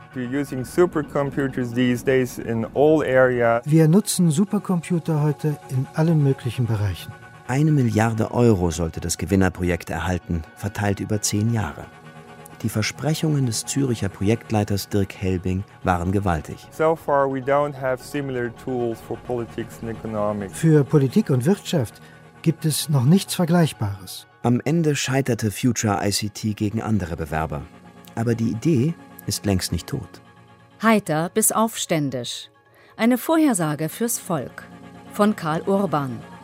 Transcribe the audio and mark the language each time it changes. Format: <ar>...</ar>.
<de>Wir nutzen Supercomputer heute in allen möglichen Bereichen. 1 Milliarde Euro sollte das Gewinnerprojekt erhalten, verteilt über 10 Jahre. Die Versprechungen des Züricher Projektleiters Dirk Helbing waren gewaltig.</de> <en>So far we don't have similar tools for politics and economics.</en> <de>Für Politik und Wirtschaft gibt es noch nichts Vergleichbares. Am Ende scheiterte Future ICT gegen andere Bewerber. Aber die Idee ist längst nicht tot. Heiter bis aufständisch. Eine Vorhersage fürs Volk. Von Karl Urban.</de>